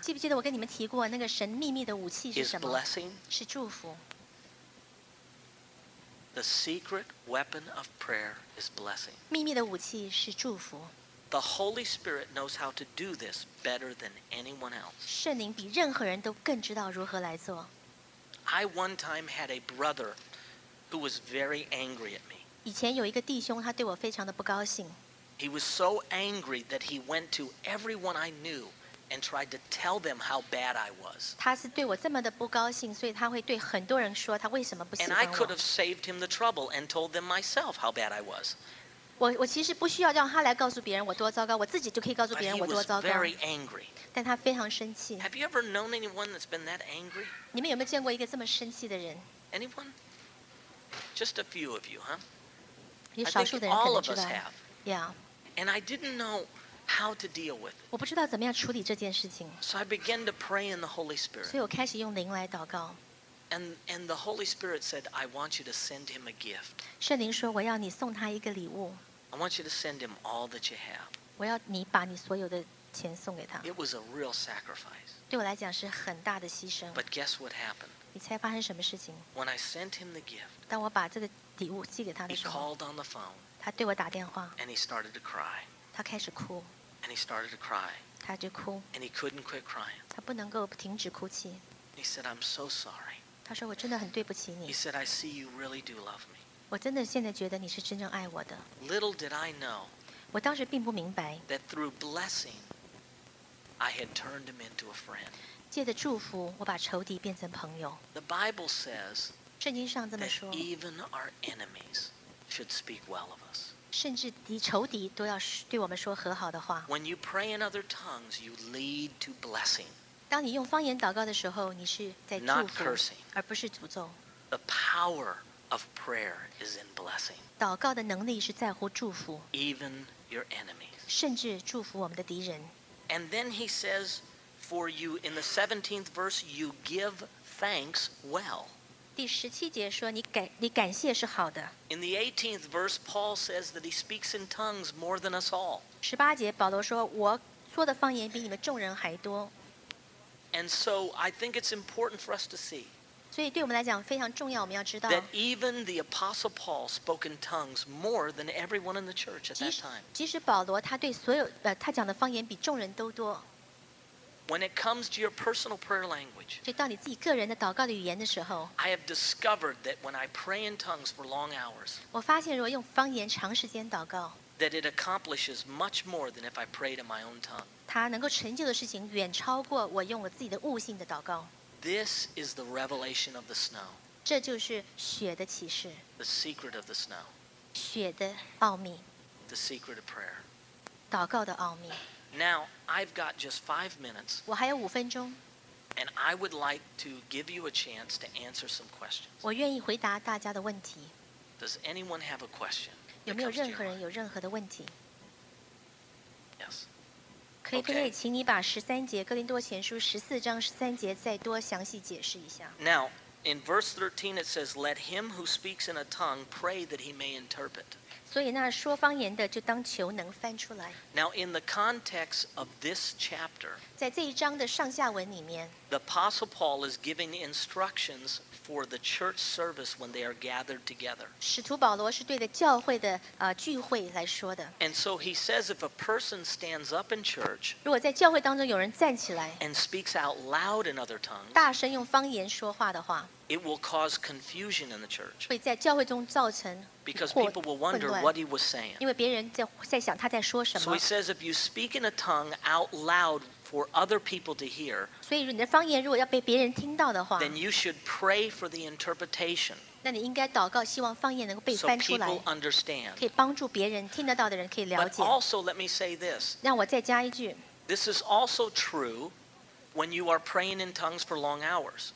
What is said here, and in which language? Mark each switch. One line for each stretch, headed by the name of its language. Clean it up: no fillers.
Chinese: 记不记得我跟你们提过那个神秘密的武器是什么？
English: Is blessing.
Chinese: 是祝福。
English: The secret weapon of prayer is blessing.
Chinese: 秘密的武器是祝福。
English: The Holy Spirit knows how to do this better than anyone else.
Chinese: 圣灵比任何人都更知道如何来做。
English: I one time had a brother who was very angry at me.
Chinese: 以前有一个弟兄，他对我非常的不高兴。
English: He was so angry that he went to everyone I knew and tried to tell them how bad I was.
Chinese: 他是对我这么的不高兴，所以他会对很多人说他为什么不喜欢我。
English: And I could have saved him the trouble and told them myself how bad I was.
Chinese: 我其实不需要让他来告诉别人我多糟糕，我自己就可以告诉别人我多糟糕。
English: But he was very angry.
Chinese: 但他非常生气。
English: Have you ever known anyone that's been that angry?
Chinese: 你们有没有见过一个这么生气的人？
English: Anyone? Just a few of you, huh?
Chinese: 有少数的人可能知道。
English: I think all of us have. Yeah. And I didn't know how to deal with it.
Chinese: 我不知道怎么样处理这件事情。
English: So I began to pray in the Holy Spirit.
Chinese: 所以我开始用灵来祷告。
English: And the Holy Spirit said, "I want you to send him a gift."
Chinese: 圣灵说，我要你送他一个礼物。
English: I want you to send him all that you have.
Chinese: 我要你把你所有的钱送给他。
English: It was a real sacrifice.
Chinese: 对我来讲是很大的牺牲。
English: But guess what happened?
Chinese: 你猜发生什么事情？
English: When I sent him the gift,
Chinese: 当我把这个礼物寄给他的时候，
English: he called on the phone.
Chinese: 他对我打电话。
English: And he started to cry.
Chinese: 他开始哭。
English: And he started to cry.
Chinese: 他就哭。
English: And he couldn't quit crying.
Chinese: 他不能够停止哭泣。
English: He said, "I'm so sorry."
Chinese: 他说我真的很对不起你。
English: He said, "I see you really do love me."
Chinese: 我真的现在觉得你是真正爱我的。
English: Little did I know.
Chinese: 我当时并不明白。
English: That through blessing. I had turned him into a friend.
Chinese: 借着祝福，我把仇敌变成朋友。
English: The Bible says,
Chinese: 圣经上这么说，
English: that even our enemies should speak well of us.
Chinese: 甚至敌仇敌都要对我们说和好的话。
English: When you pray in other tongues, you lead to blessing.
Chinese: 当你用方言祷告的时候，你是在祝福，
English: not cursing,
Chinese: 而不是诅咒。
English: The power of prayer is in blessing.
Chinese: 祷告的能力是在乎祝福，
English: even your enemies.
Chinese: 甚至祝福我们的敌人。
English: And then he says, "For you," in the 17th verse, "you give thanks well."
Chinese: 第十七节说你感谢是好的。
English: In the 18th verse, Paul says that he speaks in tongues more than us all.
Chinese: 十八节保罗说我说的方言比你们众人还多。
English: And so I think it's important for us to see.
Chinese: 所以对我们来讲非常重要，我们要知道。
English: That even the apostle Paul spoke in tongues more than everyone in the church at that time.
Chinese: 即使保罗他对所有他讲的方言比众人都多。
English: When it comes to your personal prayer language,
Chinese: 就到你自己个人的祷告的语言的时候，
English: I have discovered that when I pray in tongues for long hours,
Chinese: 我发现如果用方言长时间祷告，
English: that it accomplishes much more than if I prayed in my own tongue.
Chinese: 它能够成就的事情远超过我用我自己的悟性的祷告。
English: This is the revelation of the snow.
Chinese: 这就是雪的启示。
English: The secret of the snow.
Chinese: 雪的奥秘。
English: The secret of prayer.
Chinese: 祷告的奥秘。
English: Now, I've got just 5 minutes.
Chinese: 我还有五分钟。
English: And I would like to give you a chance to answer some questions.
Chinese: 我愿意回答大家的问题。
English: Does anyone have a question?
Chinese: 有没有任何人有任何的问题？
English: Yes.
Chinese: 可以，可以，请你把十三节，哥林多前书十四章十三节再多详细解释一下。
English: Now, in verse 13 it says, let him who speaks in a tongue pray that he may interpret.
Chinese: 所以那说方言的就当求能翻出来。
English: Now, in the context of this chapter,
Chinese: 在这一章的上下文里面，
English: the Apostle Paul is giving instructions for the church service when they are gathered together.
Chinese: 使徒保罗是对着教会的聚会来说的。
English: And so he says if a person stands up in church,
Chinese: 如果在教会当中有人站起来，
English: and speaks out loud in other tongues,
Chinese: 大声用方言说话的话，
English: it will cause confusion in the church.
Chinese: 会在教会中造成
English: Because people will wonder what he was saying.
Chinese: 因为别人在想他在说什么。
English: So he says if you speak in a tongue out loud for other people to hear,
Chinese: 所以你的方言如果要被别人听到的话，
English: then you should pray for the interpretation.
Chinese: 那你应该祷告希望方言能够被翻出来。
English: So people understand.
Chinese: 可以帮助别人听得到的人可以了解。
English: But also let me say this.
Chinese: 让我再加一句。
English: This is also true when you are praying in tongues for long hours.